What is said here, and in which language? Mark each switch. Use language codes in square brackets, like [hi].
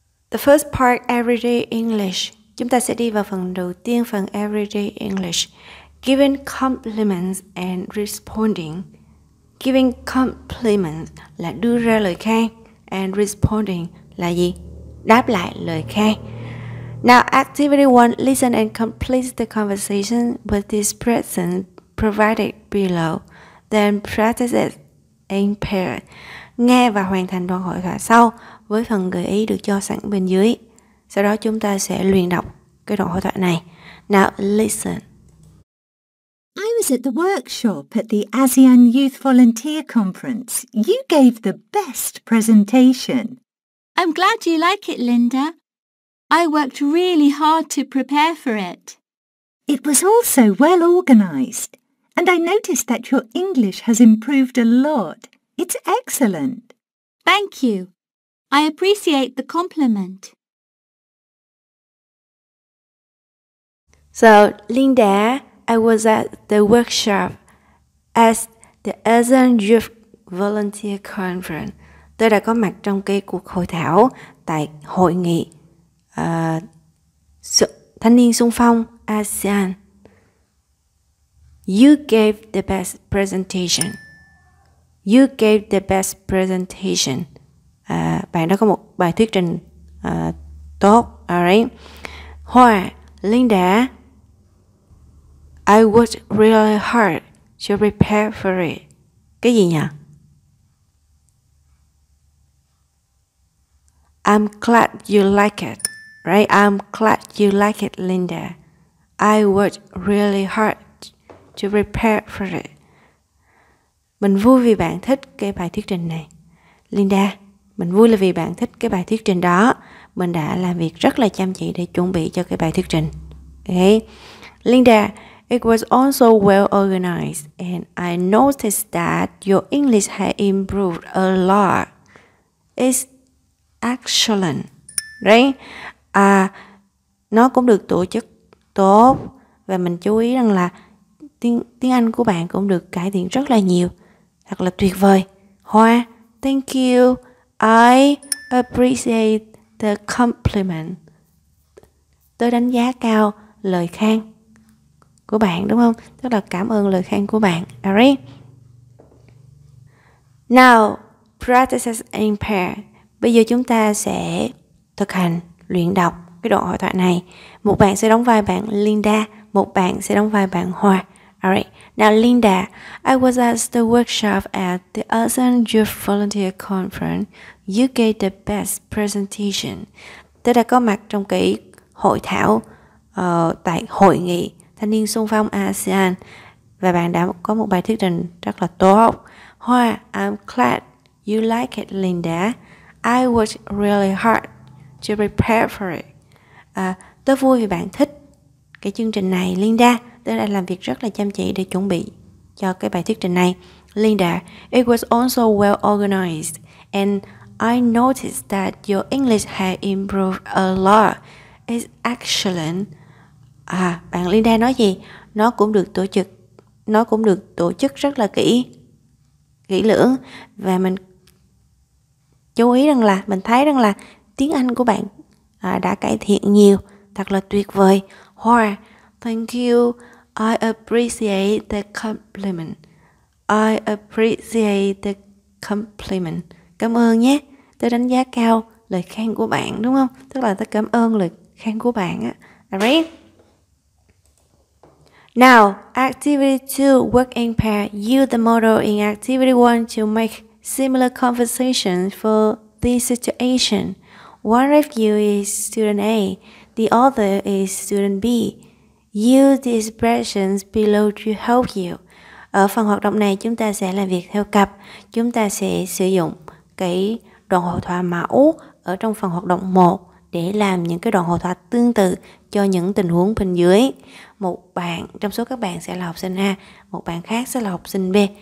[en] The first part, everyday English. [vi] Chúng ta sẽ đi vào phần đầu tiên, phần [en] everyday English. Giving compliments and responding. Giving compliments [vi] là đưa ra lời khen, [en] and responding [vi] là gì? Đáp lại lời khen. [en] Now, activity 1, listen and complete the conversation with this person provided below. Then practice it in pair. [vi] Nghe và hoàn thành đoạn hội thoại sau với phần gợi ý được cho sẵn bên dưới. Sau đó chúng ta sẽ luyện đọc cái đoạn hội thoại này. [en] Now listen. I was at the workshop at the ASEAN Youth Volunteer Conference. You gave the best presentation. I'm glad you like it, Linda. I worked really hard to prepare for it. It was also well organized. And I noticed that your English has improved a lot. It's excellent. Thank you. I appreciate the compliment. So, Linda, I was at the workshop at the ASEAN Youth Volunteer Conference. [vi] Tôi đã có mặt trong cái cuộc hội thảo tại hội nghị thanh niên xung phong ASEAN. [en] You gave the best presentation. You gave the best presentation. [vi] Bạn đó có một bài thuyết trình tốt. [en] Alright. Hoa, Linda, I worked really hard to prepare for it. [vi] Cái gì nhỉ? [en] I'm glad you like it. Right? I'm glad you like it, Linda. I worked really hard to prepare for it. [vi] Mình vui vì bạn thích cái bài thuyết trình này. Linda, mình vui là vì bạn thích cái bài thuyết trình đó. Mình đã làm việc rất là chăm chỉ để chuẩn bị cho cái bài thuyết trình. [en] Okay. Linda, it was also well organized and I noticed that your English had improved a lot. It's excellent. Right? [vi] Nó cũng được tổ chức tốt và mình chú ý rằng là tiếng Anh của bạn cũng được cải thiện rất là nhiều. Thật là tuyệt vời. [en] Hoa, thank you. I appreciate the compliment. [vi] Tôi đánh giá cao lời khen của bạn, đúng không? Tức là cảm ơn lời khen của bạn. Alright. [en] Now, practice in pair. [vi] Bây giờ chúng ta sẽ thực hành luyện đọc cái đoạn hội thoại này. Một bạn sẽ đóng vai bạn Linda, một bạn sẽ đóng vai bạn Hoa. [en] Alright. Now, Linda, I was at the workshop at the ASEAN Youth Volunteer Conference. You gave the best presentation. [vi] Tôi đã có mặt trong cái hội thảo tại hội nghị thanh niên xung phong ASEAN và bạn đã có một bài thuyết trình rất là tốt. [en] Hoa, I'm glad you like it, Linda. I worked really hard to prepare for it. Tôi vui vì bạn thích cái chương trình này, Linda. Tôi đã làm việc rất là chăm chỉ để chuẩn bị cho cái bài thuyết trình này. Linda, it was also well organized and I noticed that your English had improved a lot. It's excellent. [vi] À, bạn Linda nói gì? Nó cũng được tổ chức rất là kỹ lưỡng và mình chú ý rằng là mình thấy rằng là tiếng Anh của bạn đã cải thiện nhiều, thật là tuyệt vời. [en] Hoa, thank you. I appreciate the compliment. I appreciate the compliment. [vi] Cảm ơn nhé. Tôi đánh giá cao lời khen của bạn, đúng không? Tức là tôi cảm ơn lời khen của bạn á. [en] Alright. Now, activity 2, work in pair. Use the model in activity 1 to make similar conversations for this situation. One of you is student A, the other is student B. Use the expressions below to help you. [vi] Ở phần hoạt động này, chúng ta sẽ làm việc theo cặp. Chúng ta sẽ sử dụng cái đoạn hội thoại mẫu ở trong phần hoạt động 1 để làm những cái đoạn hội thoại tương tự cho những tình huống bên dưới. Một bạn trong số các bạn sẽ là học sinh A, một bạn khác sẽ là học sinh B.